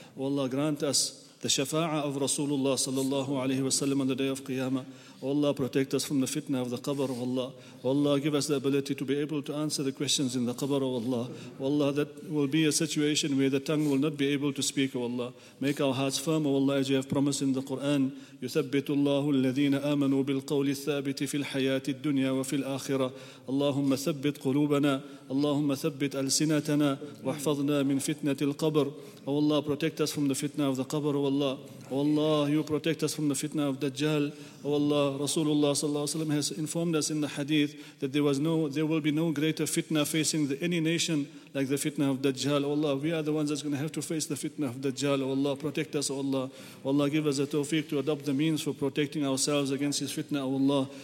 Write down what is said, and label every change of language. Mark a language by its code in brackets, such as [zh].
[en] O Allah, grant us the shafa'ah of Rasulullah sallallahu alayhi wa sallam on the day of Qiyamah. O Allah, protect us from the fitna of the qabr, O Allah. O Allah, give us the ability to be able to answer the questions in the qabr, O Allah. O Allah, that will be a situation where the tongue will not be able to speak, O Allah. Make our hearts firm, O Allah, as you have promised in the Quran. [ar] يثبت الله الذين آمنوا بالقول الثابت في الحياة الدنيا وفي الآخرة اللهم ثبت قلوبنا اللهم ثبت ألسنتنا واحفظنا من فتنة القبر [en] O Allah, protect us from the fitna of the qabr, O Allah. O Allah, you protect us from the fitna of Dajjal. O Allah, Rasulullah sallallahu alayhi wa sallam has informed us in the hadith that there will be no greater fitna facing any nation like the fitna of Dajjal. O Allah, we are the ones that's going to have to face the fitna of Dajjal. O Allah, protect us, O Allah. O Allah, give us the tawfiq to adopt the means for protecting ourselves against his fitna, O Allah.